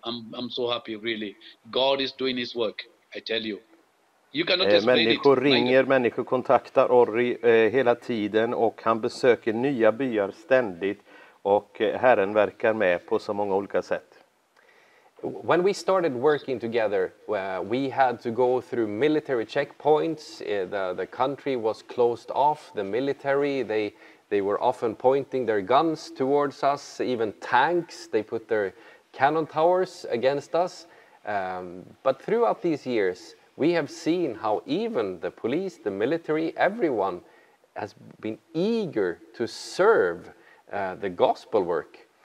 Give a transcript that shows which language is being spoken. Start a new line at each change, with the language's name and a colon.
English: I'm so happy, really. God is doing His work. I tell you, you cannot explain it.
Swedish: Människor ringer, människor kontaktar Orri hela tiden, och han besöker nya byar ständigt, och Herren verkar med på så många olika sätt.
English: When we started working together, we had to go through military checkpoints. The country was closed off. The military, they were often pointing their guns towards us, even tanks. They put their cannon towers against us. But throughout these years, we have seen how even the police, the military, everyone has been eager to serve the gospel work.